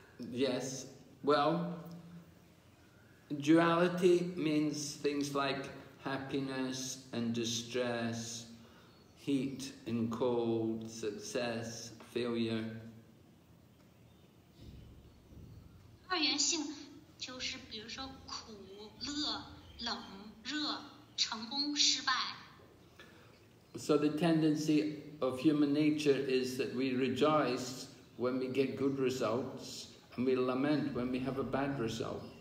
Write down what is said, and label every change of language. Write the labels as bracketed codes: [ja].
[en] Yes. Well, duality means things like happiness and distress, heat and cold, success, failure. [zh] 二元性就是比如说苦、乐、冷、热、成功、失败。 [en] So the tendency of human nature is that we rejoice when we get good results and we lament when we have a bad result.